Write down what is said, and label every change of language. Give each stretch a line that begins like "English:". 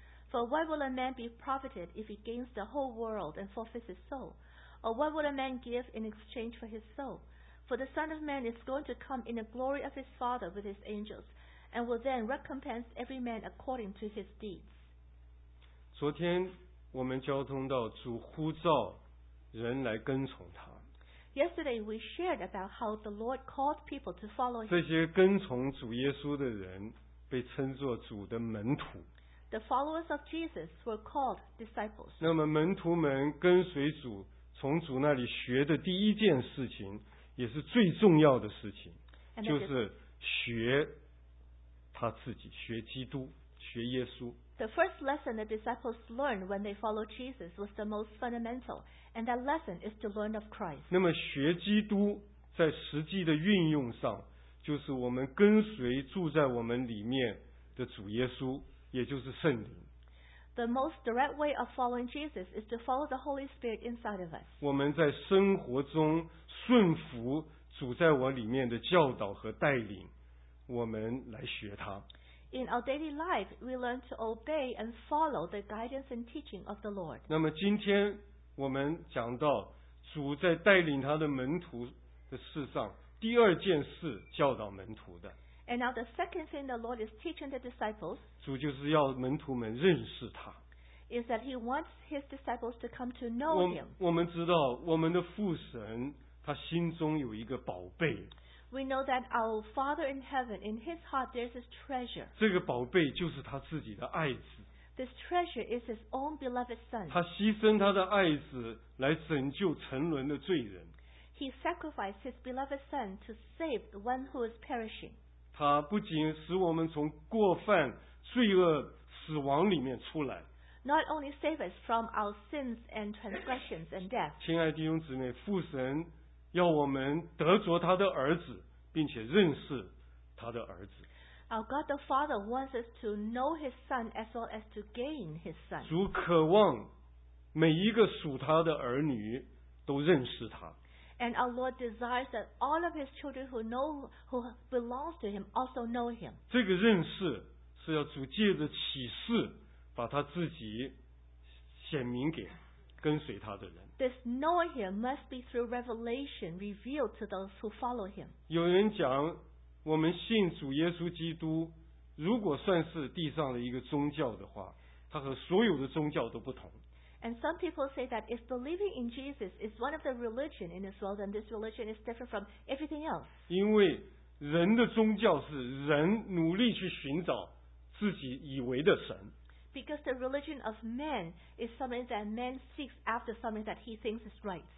English: For what will a man be profited if he gains the whole world and forfeits his soul? Or what will a man give in exchange for his soul? For the Son of Man is going to come in the glory of his Father with his angels, and will then recompense every man according to his deeds.
Chinese: 昨天我们交通到主呼召人来跟从他。
English: Yesterday we shared about how the Lord called people to follow him.
Chinese: 这些跟从主耶稣的人被称作主的门徒。
English: The followers of Jesus were called disciples.
Chinese: 那么门徒们跟随主，从主那里学的第一件事情，也是最重要的事情，就是学他自己，学基督，学耶稣。
English: The first lesson the disciples learned when they followed Jesus was the most fundamental, and that lesson is to learn of Christ.
Chinese: 那么学基督在实际的运用上，就是我们跟随住在我们里面的主耶稣，也就是圣灵。
English: The most direct way of following Jesus is to follow the Holy Spirit inside of us.
Chinese: 我们在生活中顺服主在我里面的教导和带领，我们来学他。
English: In our daily life, we learn to obey and follow the guidance and teaching of the Lord.
Chinese: 那么今天我们讲到主在带领他的门徒的事上，第二件事教导门徒的。
English: And now the second thing the Lord is teaching the disciples.
Chinese: 主就是要门徒们认识他。
English: Is that he wants his disciples to come to know him.
Chinese: 我们知道我们的父神他心中有一个宝贝。
English: We know that our Father in heaven, in His heart, there is this treasure.
Chinese: 这个宝贝就是他自己的爱子。
English: This treasure is His own beloved Son.
Chinese: 他牺牲他的爱子来拯救沉沦的罪人。
English: He sacrificed His beloved Son to save the one who is perishing.
Chinese: 他不仅使我们从过犯、罪恶、死亡里面出来。
English: Not only save us from our sins and transgressions and death.
Chinese: 亲爱的弟兄姊妹，父神要我们得着他的儿子，并且认识他的儿子。
English: Our God the Father wants us to know His Son as well as to gain His Son.
Chinese: 主渴望每一个属他的儿女都认识他。
English: And our Lord desires that all of His children who belongs to Him also know Him.
Chinese: 这个认识是要主借着启示把他自己显明给跟随他的人。
English: This knowing Him must be through revelation revealed to those who follow Him.
Chinese: 有人讲我们信主耶稣基督如果算是地上的一个宗教的话它和所有的宗教都不同
English: And some people say that if believing in Jesus is one of the religion in this world then this religion is different from everything else
Chinese: 因为人的宗教是人努力去寻找自己以为的神
English: Because the religion of man is something that man seeks after something that he thinks is right